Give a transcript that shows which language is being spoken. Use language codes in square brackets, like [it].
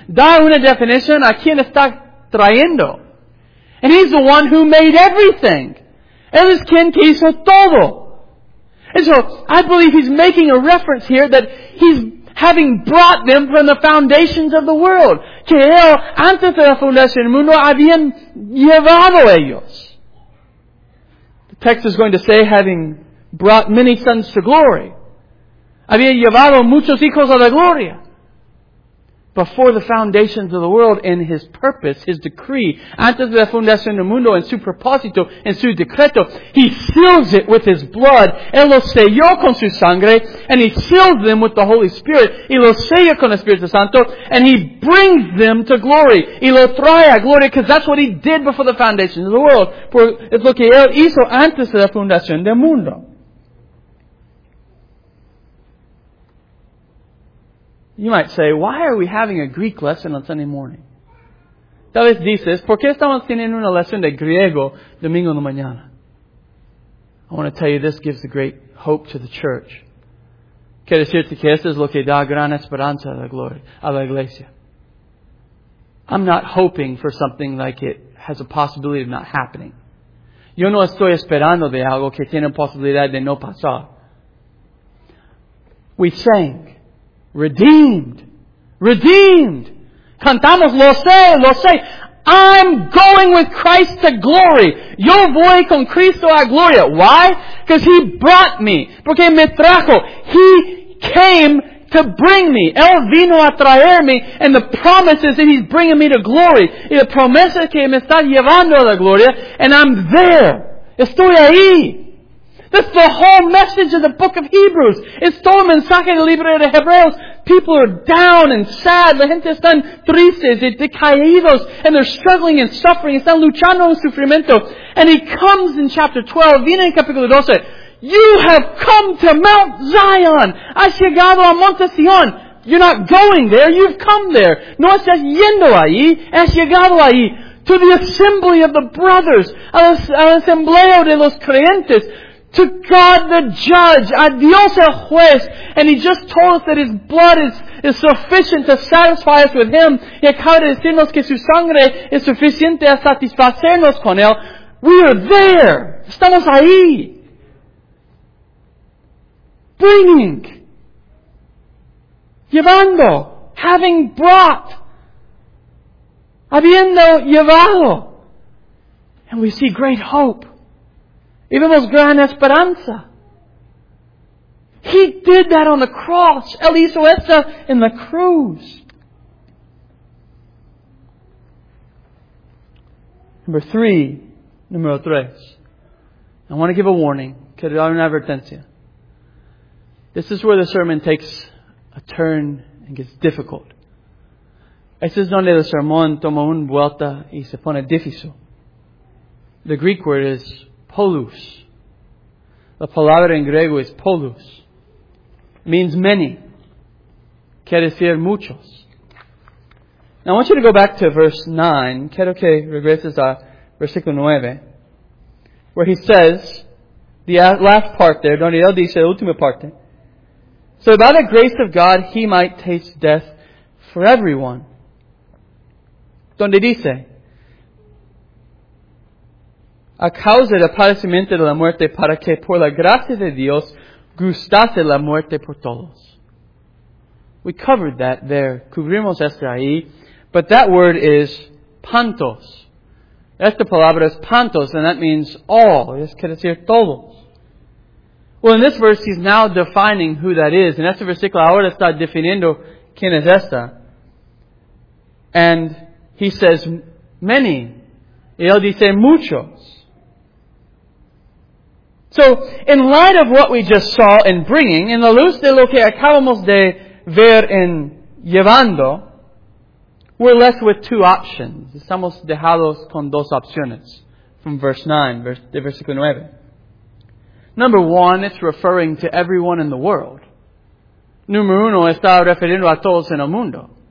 [es] Da una definición a quien está trayendo. [en] And he's the one who made everything. [es] Él es quien que hizo todo. [en] And so, I believe he's making a reference here that he's having brought them from the foundations of the world. [es] Que él, antes de la fundación del mundo, habían llevado ellos. [en] The text is going to say, having brought many sons to glory. [es] Había llevado muchos hijos a la gloria. [en] Before the foundations of the world, in His purpose, His decree, [es] antes de la fundación del mundo, en su propósito, en su decreto, [en] He seals it with His blood. [es] Él los selló con su sangre, [en] and He seals them with the Holy Spirit, [es] y los sella con el Espíritu Santo, [en] and He brings them to glory. [es] Y los trae a gloria, [en] because that's what He did before the foundations of the world. [es] Por es lo que Él hizo antes de la fundación del mundo. [en] You might say, why are we having a Greek lesson on Sunday morning? [es] Tal vez dices, ¿por qué estamos teniendo una lección de griego domingo en la mañana? [en] I want to tell you, this gives a great hope to the church. [es] Quiero decirte que esto es lo que da gran esperanza a la gloria, a la iglesia. [en] I'm not hoping for something like it has a possibility of not happening. [es] Yo no estoy esperando de algo que tiene posibilidad de no pasar. [en] We sang. Redeemed. Redeemed. [es] Cantamos, lo sé, lo sé. [en] I'm going with Christ to glory. [es] Yo voy con Cristo a gloria. [en] Why? Because He brought me. [es] Porque me trajo. [en] He came to bring me. [es] Él vino a traerme. [en] And the promise is that He's bringing me to glory. [es] Y la promesa es que me está llevando a la gloria. [en] And I'm there. [es] Estoy ahí. [en] That's the whole message of the book of Hebrews. [es] It's todo el mensaje del libro de Hebreos. [en] People are down and sad. [es] La gente están tristes y decaídos. [en] And they're struggling and suffering. [es] Están luchando en sufrimiento. [en] And He comes in chapter 12. [es] Viene en capítulo 12. [en] You have come to Mount Zion. [es] Has llegado a Monte Sion. [en] You're not going there. You've come there. [es] No estás yendo ahí. Has llegado ahí. [en] To the assembly of the brothers. [es] Al asambleo de los creyentes. [en] To God the judge, [es] a Dios el juez, [en] and He just told us that His blood is sufficient to satisfy us with Him. [es] Y acaba de decirnos que su sangre es suficiente a satisfacernos con Él. [en] We are there. [es] Estamos ahí. [en] Bringing. Llevando. Having brought. [es] Habiendo llevado. [en] And we see great hope. [es] Y vemos gran esperanza. [en] He did that on the cross. [es] Él hizo eso en la cruz. Número tres. [en] I want to give a warning. [es] Quiero dar una advertencia. [en] This is where the sermon takes a turn and gets difficult. [es] Este es donde el sermón toma una vuelta y se pone difícil. [en] The Greek word is polus. [es] La palabra en griego es polus. [en] Means many. [es] Quiere decir muchos. [en] Now I want you to go back to verse 9. [es] Quiero que regreses a versículo 9. [en] Where he says, the last part there, [es] donde él dice, la última parte. [en] So by the grace of God, he might taste death for everyone. [es] Donde dice, a causa del padecimiento de la muerte, para que por la gracia de Dios gustase la muerte por todos. [en] We covered that there. [es] Cubrimos esto ahí. [en] But that word is pantos. [es] Esta palabra es pantos, [en] and that means all. [es] Es que decir todos. [en] Well, in this verse, he's now defining who that is. [es] En este versículo, ahora está definiendo quién es esta. [en] And he says, many. [es] Y él dice, muchos. [en] So, in light of what we just saw in bringing, in [es] la luz de lo que acabamos de ver en llevando, [en] we're left with two options. [es] Estamos dejados con dos opciones [en] from verse 9, [es] de versículo 9. [en] Number one, it's referring to everyone in the world. [es] Número uno, está refiriendo a todos en el mundo.